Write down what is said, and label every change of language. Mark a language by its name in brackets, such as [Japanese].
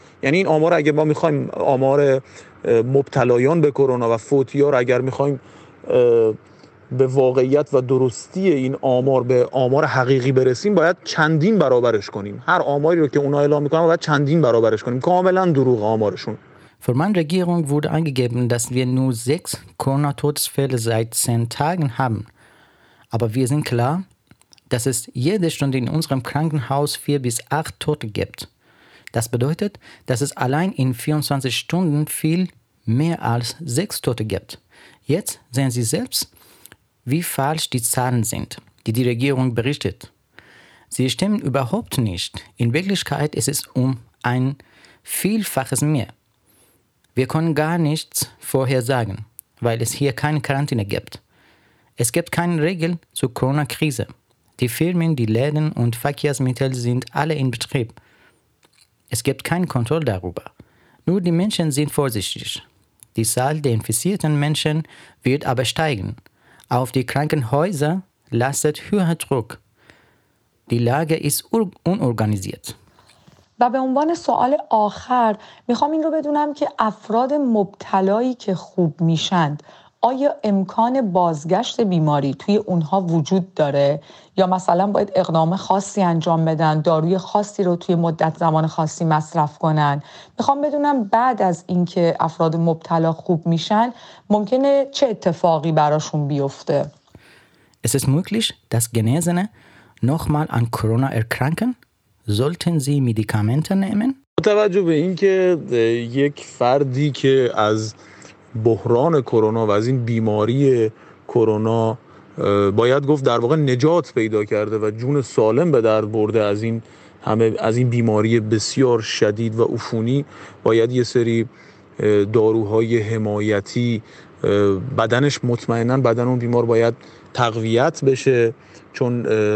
[Persian] یعنی این آمار اگه ما میخوایم آمار مبتلایان به کرونا و فوتی ها رو اگر میخوایم به واقعیت و درستی این آمار به آمار حقیقی برسیم باید چندین برابرش کنیم. هر آماری رو که اونا اعلام میکنن باید چندین برابرش کنیم. کاملا دروغ آمارشون. [German] Für meine Regierung wurde angegeben, dass wir nur 6 Corona-Todesfälle seit 10 Tagen haben. Aber wir sind klar, dass es jede Stunde in unserem Krankenhaus 4 bis 8 Tote gibt. Das bedeutet, dass es allein in 24 Stunden viel mehr als 6 Tote gibt. Jetzt sehen Sie selbst, wie falsch die Zahlen sind, die die Regierung berichtet. Sie stimmen überhaupt nicht. In Wirklichkeit ist es um ein Vielfaches mehr. Wir können gar nichts vorhersagen, weil es hier keine Quarantäne gibt. Es gibt keine Regel zur Corona-Krise. Die Firmen, die Läden und Verkehrsmittel sind alle in Betrieb. Es gibt keine Kontrolle darüber. Nur die Menschen sind vorsichtig. Die Zahl der infizierten Menschen wird aber steigen. Auf die Krankenhäuser lastet höher Druck. Die Lage ist unorganisiert. [Persian] و به عنوان سوال آخر میخوام این رو بدونم که افراد مبتلایی که خوب میشند آیا امکان بازگشت بیماری توی اونها وجود داره؟ یا مثلا باید اقدام خاصی انجام بدن، داروی خاصی رو توی مدت زمان خاصی مصرف کنن؟ میخوام بدونم بعد از اینکه افراد مبتلا خوب میشن، ممکنه چه اتفاقی براشون بیفته؟ [German] Es ist möglich, dass Genesene nochmal an Corona erkranken. Sollten sie Medikamente nehmen? [Persian] توجه به این که یک فردی که از بحران کرونا و از این بیماری کرونا باید گفت در واقع نجات پیدا کرده و جون سالم به درد برده از این همه از این بیماری بسیار شدید و عفونی، باید یه سری داروهای حمایتی بدنش مطمئنن بدن اون بیمار باید تقویت بشه، چون